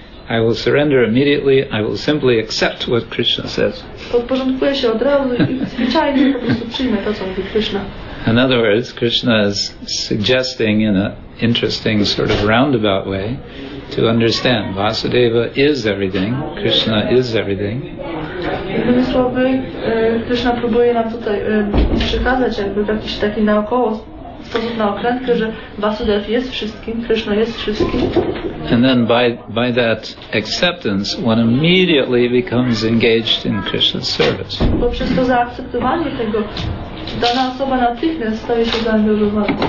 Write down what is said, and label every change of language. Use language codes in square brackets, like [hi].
[en] I will surrender immediately. I will simply accept what Krishna says. [pl] Podporządkuję się od razu i zwyczajnie po prostu przyjmę to, co mówi Krishna. [en] In other words, Krishna is suggesting in an interesting sort of roundabout way to understand Vasudeva is everything, Krishna is everything. [pl] Innymi słowy, Krishna próbuje nam tutaj przekazać jakby w jakiś taki naokoło sposób na okrętkę, że Vasudev jest wszystkim, Krishna jest wszystkim. [en] And then by that acceptance, one immediately becomes engaged in Krishna's service. [pl] Poprzez to zaakceptowanie tego, dana osoba natychmiast staje się zaangażowana.